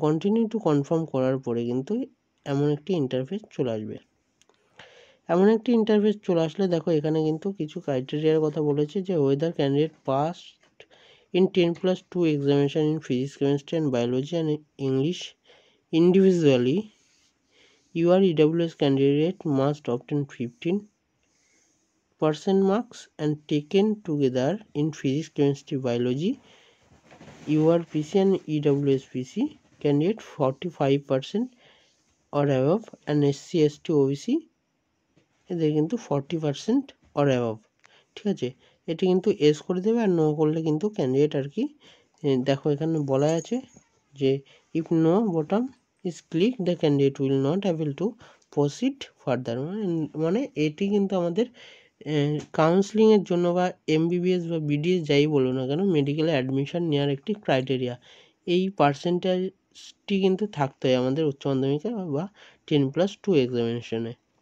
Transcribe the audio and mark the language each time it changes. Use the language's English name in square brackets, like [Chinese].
[Bangla] Continue to confirm করার পরে কিন্তু এমন একটি ইন্টারফেস চলে আসবে, এমন একটি ইন্টারফেস চলে আসলে দেখো এখানে কিন্তু কিছু ক্রাইটেরিয়ার কথা বলেছে যে [English] Whether candidate pass in 10+2 examination in physics, chemistry and biology and English individually, You are EWS candidate, must obtain 15% marks and taken together in physics, chemistry, biology. You are PC and EWS PC candidate, 45% or above, and SC ST OBC [Bangla] এদের কিন্তু [English] 40% or above, ঠিক আছে? [Bangla] এটি কিন্তু S করে দেবে, আর no করলে কিন্তু ক্যান্ডিডেট আর কি, দেখো এখানে বলা আছে যে [English] if no button is click the candidate will not able to proceed further, [Bangla] মানে এটি কিন্তু আমাদের কাউন্সিলিংয়ের জন্য বা MBBS বা BDS যাই বলো না কেন মেডিকেল অ্যাডমিশন নেওয়ার একটি ক্রাইটেরিয়া, এই পার্সেন্টেজটি কিন্তু থাকতে হয় আমাদের উচ্চ মাধ্যমিকে বা 10+2 এক্সামিনেশনে।